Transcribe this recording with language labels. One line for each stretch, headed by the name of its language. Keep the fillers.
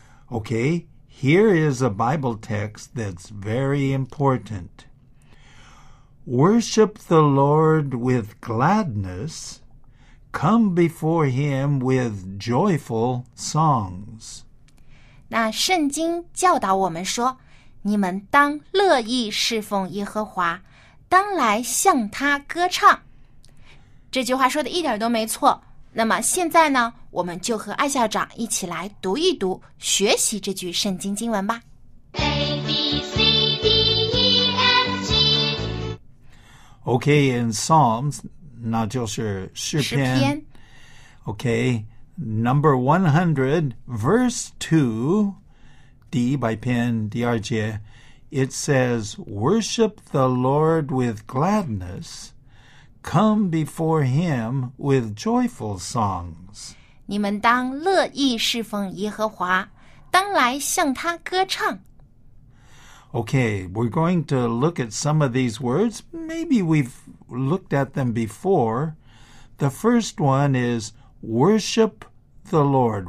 English: Here is a Bible text that's very important. Worship the Lord with gladness. Come before him with joyful songs.
Chinese: 那圣经教导我们说，你们当乐意侍奉耶和华，当来向他歌唱。这句话说的一点都没错。那么现在呢，我们就和艾校长一起来读一读、学习这句圣经经文吧。
English: A B C D E F G。 OK，in、okay, Psalms，
Chinese: 那就是诗篇。
English: 诗篇 Okay, number 100, verse 2, D by pen, DRJ, it says, Worship the Lord with gladness come before him with joyful songs.
Chinese: 你们当乐意侍奉耶和华，当来向他歌唱。
English: Okay, we're going to look at some of these words. Maybe we've looked at them before. The first one is worship the Lord.